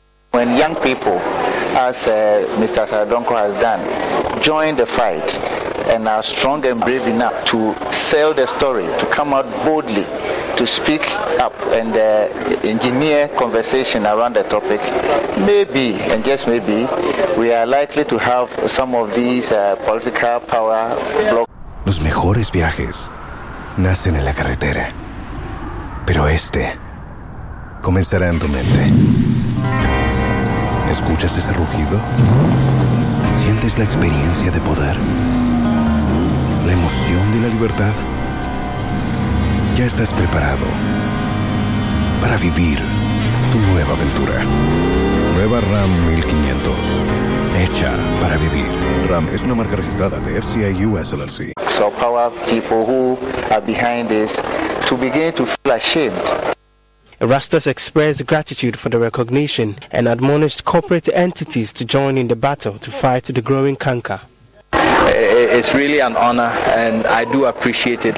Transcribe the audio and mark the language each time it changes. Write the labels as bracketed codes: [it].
[en] When young people, as Mr. Asari-Donko has done, join the fight and are strong and brave enough to sell their story, to come out boldly, to speak up and engineer conversation around the topic, maybe, and just maybe, we are likely to have some of these political power blocks. [es] Los mejores viajes nacen en la carretera, pero este comenzará en tu mente. ¿Escuchas ese rugido? ¿Sientes la experiencia de poder? ¿La emoción de la libertad? Ya estás preparado para vivir tu nueva aventura. Nueva Ram 1500, hecha para vivir. Ram es una marca registrada de FCI US LLC. [en] So power people who are behind this to begin to feel ashamed. Erastus expressed gratitude for the recognition and admonished corporate entities to join in the battle to fight the growing canker. It's really an honor and I do appreciate it.